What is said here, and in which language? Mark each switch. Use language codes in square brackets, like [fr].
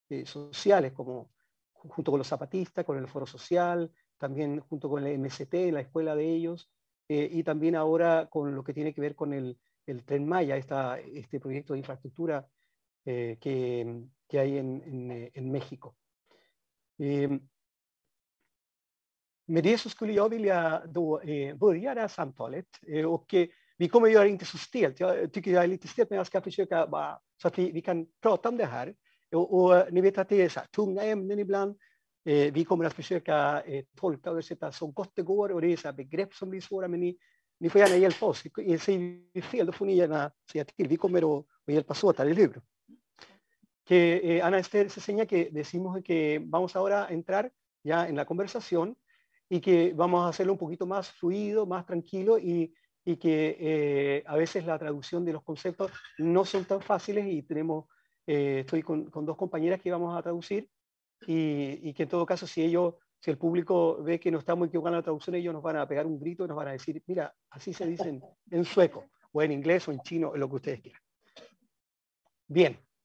[es] sociales, como junto con los zapatistas, con el Foro Social, también junto con el MST, la escuela de ellos, y también ahora con lo que tiene que ver con el Tren Maya, este proyecto de infraestructura que hay en México. [sv] Medier så skulle jag vilja då börja det här samtalet. Och vi kommer göra inte så stelt. Jag tycker jag är lite stelt, men jag ska försöka bara, så att vi kan prata om det här. Och ni vet att det är så här, tunga ämnen ibland. Vi kommer att försöka tolka och översätta så gott det går. Och det är så här begrepp som blir svåra, men ni får gärna hjälpa oss. Säger vi fel, då får ni gärna säga till. Vi kommer att hjälpas åt här, eller hur? [es] Ana Esther Ceseña, que decimos que vamos ahora a entrar ya en la conversación y que vamos a hacerlo un poquito más fluido, más tranquilo, y que a veces la traducción de los conceptos no son tan fáciles, y tenemos, estoy con dos compañeras que vamos a traducir, y que en todo caso, si el público ve que no estamos equivocando la traducción, ellos nos van a pegar un grito y nos van a decir, mira, así se dicen en sueco, o en inglés, o en chino, lo que ustedes quieran. Bien.